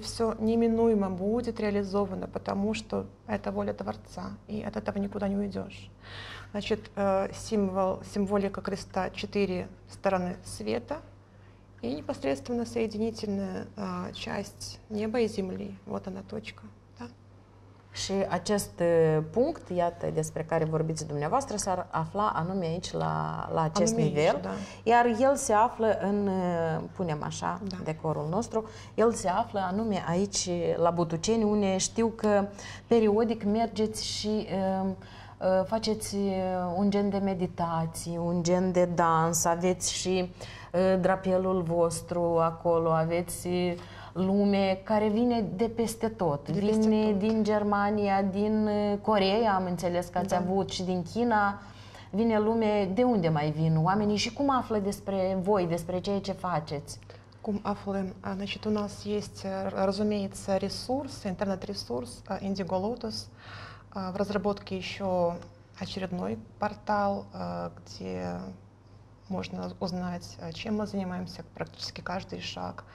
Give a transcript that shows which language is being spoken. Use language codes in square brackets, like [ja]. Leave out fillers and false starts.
[ru] Все неминуемо будет реализовано, потому что это воля Творца, и от этого никуда не уйдешь. Значит, символ, символика креста — четыре стороны света, и непосредственно соединительная часть неба и земли. Вот она, точка. [ro] Și acest punct, iată, despre care vorbiți dumneavoastră, s-ar afla anume aici, la acest anume nivel, aici, da. Iar el se află în, punem așa, da, decorul nostru, el se află anume aici, la Butuceni, unde știu că periodic mergeți și faceți un gen de meditații, un gen de dans, aveți și drapelul vostru acolo, aveți lume care vine de peste tot. Din Germania, din Coreea, am înțeles că ați avut, și din China. Vine lume, de unde mai vin oamenii și cum află despre voi, despre ceea ce faceți? Cum aflăm? [ru] Значит, у нас есть, разумеется, ресурс, интернет-ресурс Indigo Lotus. В разработке еще очередной портал, где можно узнать, чем мы занимаемся, практически каждый шаг.